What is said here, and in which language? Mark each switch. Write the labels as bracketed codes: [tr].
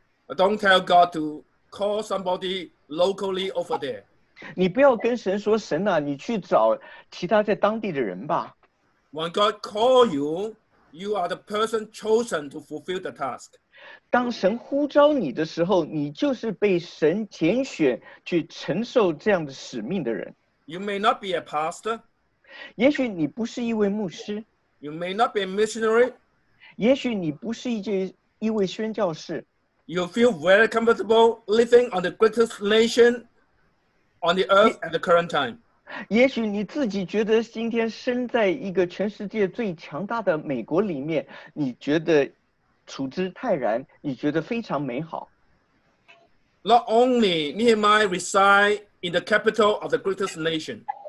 [en] ，Don't tell God to call somebody locally over there. [zh] 你不要跟神说，神啊，你去找其他在当地的人吧。 [en] When God calls you, you are the person chosen to fulfill the task. [zh] 当神呼召你的时候，你就是被神拣选去承受这样的使命的人。 [en] You may not be a pastor. [zh] 也许你不是一位牧师。 [en] You may not be a missionary. [zh] 也许你不是一位宣教士。 [en] You feel very comfortable living on the greatest nation on the earth at the current time. [zh] 也许你自己觉得今天生在一个全世界最强大的美国里面，你觉得处之泰然，你觉得非常美好。 [en] Not only Nehemiah reside in the capital of the greatest nation.